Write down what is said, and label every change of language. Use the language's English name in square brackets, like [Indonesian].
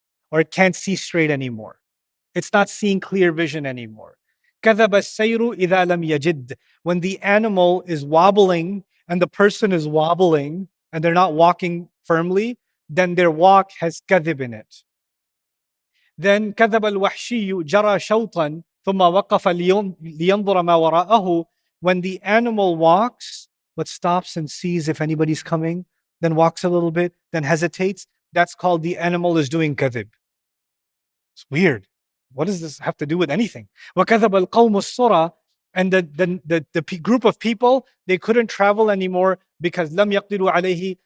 [English] Or it can't see straight anymore. It's not seeing clear vision anymore. [Arabic] كَذَبَ السَّيْرُ إِذَا لَمْ يَجِدْ. [English] When the animal is wobbling and the person is wobbling and they're not walking firmly, then their walk has كَذِب in it. Then [Arabic] كَذَبَ الْوَحْشِيُّ جَرَى شَوْطًا ثُمَّ وَقَفَ لِيَنْظُرَ مَا وَرَاءَهُ. [English] When the animal walks, but stops and sees if anybody's coming, then walks a little bit, then hesitates, that's called the animal is doing كَذِب. It's weird. What does this have to do with anything? [Arabic] وَكَذَبَ الْقَوْمُ الصُّرَى. [English] And the group of people, they couldn't travel anymore because [Arabic] لَمْ يَقْدِرُوا عَلَيْهِ.